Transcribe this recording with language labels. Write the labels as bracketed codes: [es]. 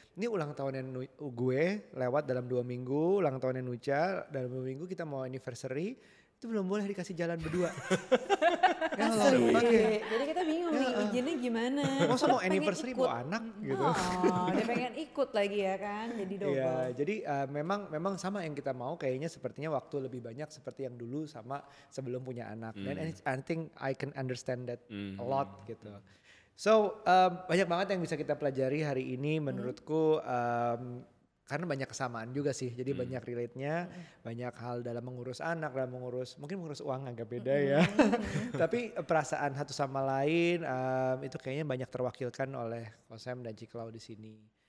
[id] Ini ulang tahunnya gue lewat dalam 2 minggu, ulang tahunnya Nucha dalam 2 minggu, kita mau anniversary, itu belum boleh dikasih jalan berdua. Ya, lalu, jadi kita bingung ya, nih izinnya gimana. Masa mau anniversary ikut, bawa anak gitu. Oh, dia pengen ikut lagi ya kan, jadi double. Ya, jadi memang sama yang kita mau, kayaknya sepertinya waktu lebih banyak seperti yang dulu sama sebelum punya anak. Dan [en] I think I can understand that a lot [id] gitu. So banyak banget yang bisa kita pelajari hari ini menurutku, karena banyak kesamaan juga sih, jadi banyak relate-nya, banyak hal dalam mengurus anak, dalam mengurus, mungkin mengurus uang agak beda ya, tapi perasaan satu sama lain itu kayaknya banyak terwakilkan oleh Kosem dan Ciklau di sini.